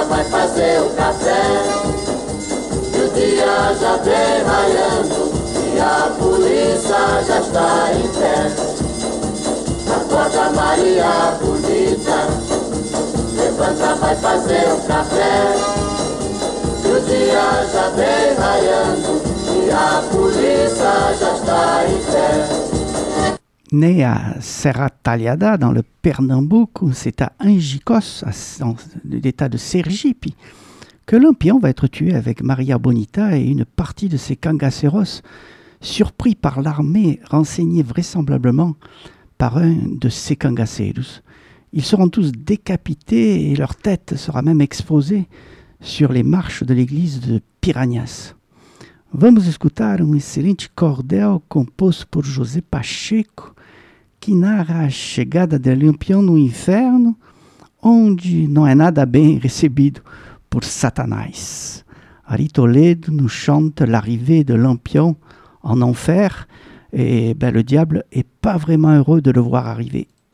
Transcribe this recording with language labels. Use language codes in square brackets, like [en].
[pt] Fazer o café, e o dia já vem raiando, e a polícia já está em pé. Acorda, Maria Bonita, levanta, vai fazer o café, e o dia já vem raiando, e a polícia já está em pé. [fr] Né à Serra Talhada, dans le Pernambuco, c'est à Angicos, dans l'état de Sergipe, que Lampion va être tué avec Maria Bonita et une partie de ses cangaceros, surpris par l'armée renseignée vraisemblablement par un de ses cangaceros. Ils seront tous décapités et leur tête sera même exposée sur les marches de l'église de Piranhas. [pt] Vamos escutar excelente cordel composto por José Pacheco, que narra a chegada de Lampião no inferno, onde não é nada bem recebido por Satanás. [fr] Ari Toledo nos chante l'arrivée de Lampião en enfer, et ben, le diable est pas vraiment heureux de le voir arriver.